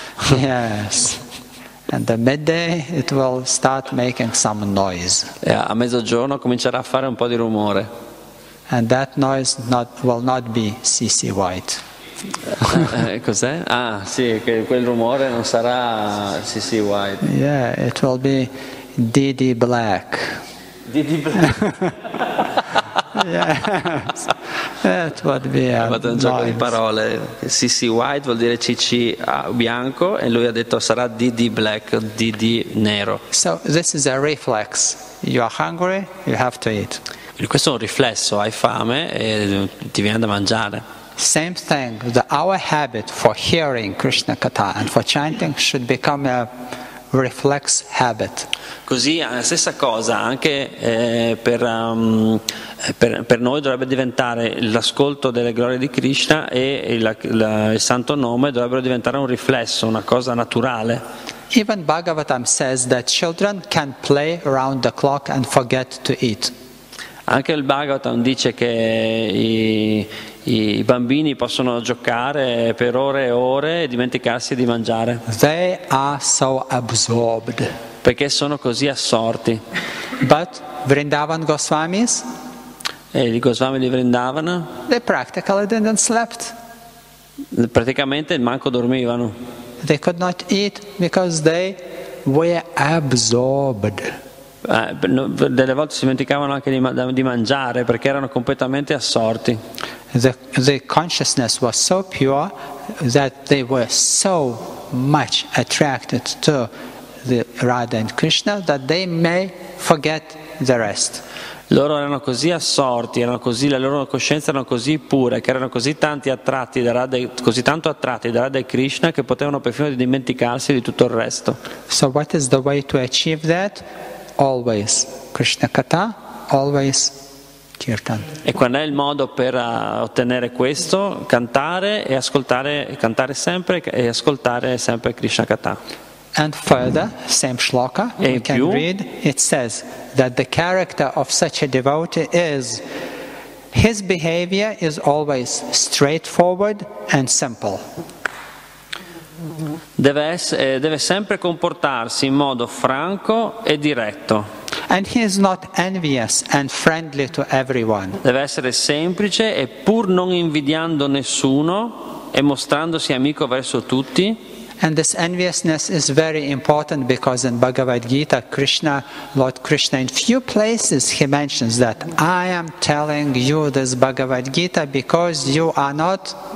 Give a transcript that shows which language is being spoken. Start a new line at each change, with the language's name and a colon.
English: Yes, and the midday, it will start making some noise.
Italian: A mezzogiorno comincerà a fare un po' di rumore.
English: And that noise not, will not be C.C. White.
Italian: Cos'è? Ah, sì, quel rumore non sarà C.C.
English: White. Yeah, it will be D.D. Black. D.D. Black? Yes, it would be a
Italian: noise. Un gioco di parole. C.C. White vuol dire C.C. bianco e lui ha detto sarà D.D.
English: Black, D.D. nero. So, this is a reflex. You are hungry, you have to eat.
Italian: Questo è un riflesso, hai fame e ti viene da mangiare.
English: Same thing, our habit for hearing Krishna Katha and for chanting should become a reflex habit.
Italian: Così la stessa cosa anche per noi dovrebbe diventare l'ascolto delle glorie di Krishna e il santo nome dovrebbero diventare un riflesso, una cosa naturale.
English: Even Bhagavatam says that children can play around the clock and forget to eat.
Italian: Anche il Bhagavatam dice che i bambini possono giocare per ore e ore e dimenticarsi di mangiare.
English: They are so absorbed.
Italian: Perché sono così assorti.
English: But Vrindavan Goswamis?
Italian: I Goswami di Vrindavan?
English: They practically didn't sleep.
Italian: Praticamente manco dormivano.
English: They could not eat because they were absorbed.
Italian: Delle volte si dimenticavano anche di mangiare perché erano completamente assorti.
English: The consciousness was so pure that they were so much attracted to the Radha and Krishna that they may forget the rest.
Italian: Loro erano così assorti, erano così, la loro coscienza erano così pura, che erano così tanti attratti da Radha, così tanto attratti da Radha e Krishna che potevano perfino dimenticarsi di tutto il resto.
English: So what is the way to achieve that? Always Krishna Katha, always Kirtan.
Italian: E qual è il modo per ottenere questo? Cantare e ascoltare, cantare sempre e ascoltare sempre Krishna Katha.
English: And further, same shloka,
Italian: e
English: we can
Italian: più,
English: read, it says that the character of such a devotee is his behavior is always straightforward and simple.
Italian: Deve sempre comportarsi in modo franco e diretto.
English: And he is not envious and friendly to everyone.
Italian: Deve essere semplice e pur non invidiando nessuno e mostrandosi amico verso tutti.
English: And this enviousness is very important because in Bhagavad Gita, Krishna, Lord Krishna, in few places he mentions that I am telling you this Bhagavad Gita because you are not